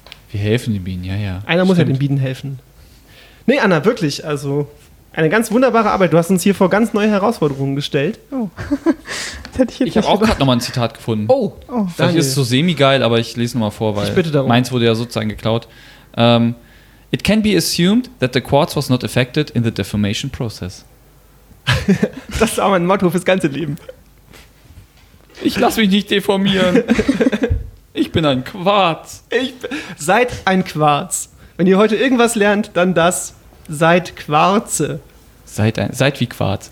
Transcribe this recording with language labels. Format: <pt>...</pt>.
<de>Wir helfen den Bienen, ja. Einer muss ja den Bienen helfen. Nee, Anna, wirklich, also eine ganz wunderbare Arbeit. Du hast uns hier vor ganz neue Herausforderungen gestellt. Oh. Ich habe auch gerade nochmal ein Zitat gefunden. Oh, vielleicht ist es so semi-geil, aber ich lese nochmal vor, weil ich bitte darum. Meins wurde ja sozusagen geklaut.</de> <en>It can be assumed that the quartz was not affected in the deformation process.</en> <de>Das ist auch mein Motto fürs ganze Leben. Ich lasse mich nicht deformieren. Ich bin ein Quarz. Seid ein Quarz. Wenn ihr heute irgendwas lernt, dann das. Seid Quarze. Seid wie Quarz.</de>